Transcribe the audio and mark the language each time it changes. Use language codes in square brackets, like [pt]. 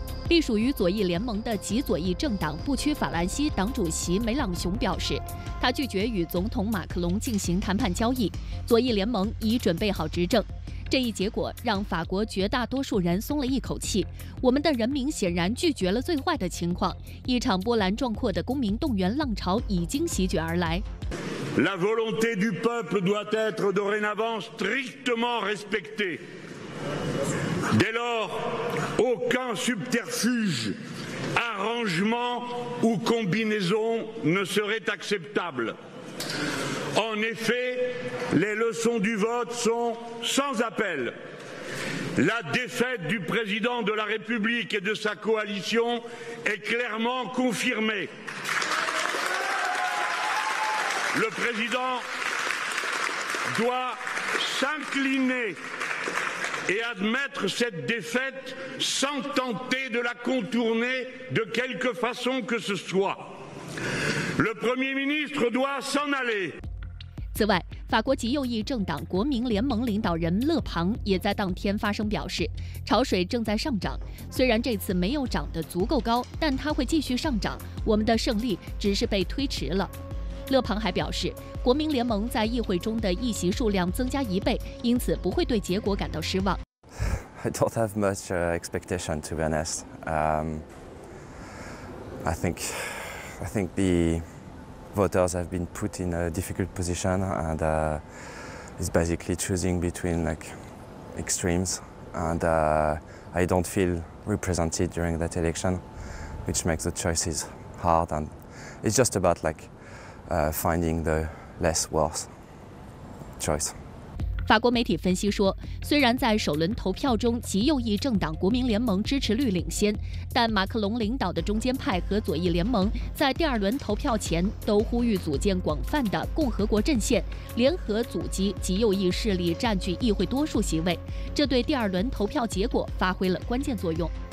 [zh] 隶属于左翼联盟的极左翼政党不屈法兰西党主席梅朗雄表示，他拒绝与总统马克龙进行谈判交易，左翼联盟已准备好执政。这一结果让法国绝大多数人松了一口气，我们的人民显然拒绝了最坏的情况，一场波澜壮阔的公民动员浪潮已经席卷而来。 [fr] La volonté du peuple doit être dorénavant strictement respectée. Dès lors, aucun subterfuge, arrangement ou combinaison ne serait acceptable. En effet, les leçons du vote sont sans appel. La défaite du président de la République et de sa coalition est clairement confirmée. Le président doit s'incliner et admettre cette défaite sans tenter de la contourner de quelque façon que ce soit. Le Premier ministre doit s'en aller. [zh] 此外，法国极右翼政党国民联盟领导人勒庞也在当天发声表示，潮水正在上涨，虽然这次没有涨得足够高，但它会继续上涨，我们的胜利只是被推迟了。勒庞还表示，国民联盟在议会中的议席数量增加一倍，因此不会对结果感到失望。 [en] I don't have much expectation to be honest. I think the voters have been put in a difficult position and it's basically choosing between like extremes and I don't feel represented during that election, which makes the choices hard and it's just about likefinding the less worse choice. [zh] 法国媒体分析说，虽然在首轮投票中极右翼政党国民联盟支持率领先，但马克龙领导的中间派和左翼联盟在第二轮投票前都呼吁组建广泛的共和国阵线，联合阻击极右翼势力占据议会多数席位，这对第二轮投票结果发挥了关键作用。